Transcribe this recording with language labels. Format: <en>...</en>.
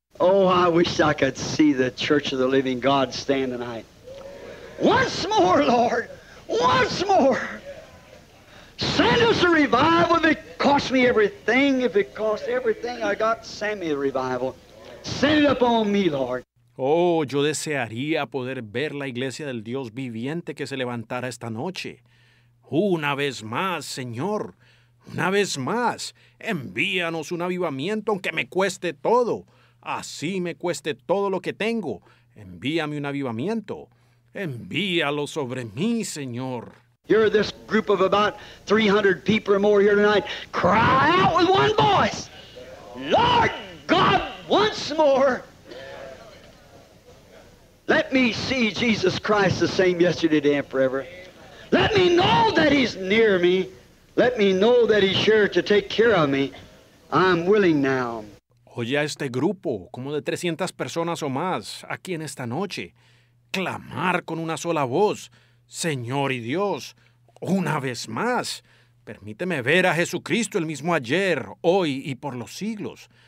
<en>Oh, I wish I could see the Church of the Living God stand tonight. Once more, Lord. Once more. Send us a revival if it costs me everything. If it costs everything, I got Sammy a revival. Send it upon me, Lord.</en> <es>Oh, yo desearía poder ver la iglesia del Dios viviente que se levantara esta noche. Una vez más, Señor. Una vez más. Envíanos un avivamiento, aunque me cueste todo. Así me cueste todo lo que tengo. Envíame un avivamiento. Envíalo sobre mí, Señor.</es> <en>You're this group of about 300 people or more here tonight. Cry out with one voice. Lord God, once more. Let me see Jesus Christ the same yesterday, today, and forever. Let me know that he's near me. Let me know that he's sure to take care of me. I'm willing now.</en> <es>Oye a este grupo, como de 300 personas o más, aquí en esta noche. Clamar con una sola voz. Señor y Dios, una vez más, permíteme ver a Jesucristo el mismo ayer, hoy y por los siglos.</es>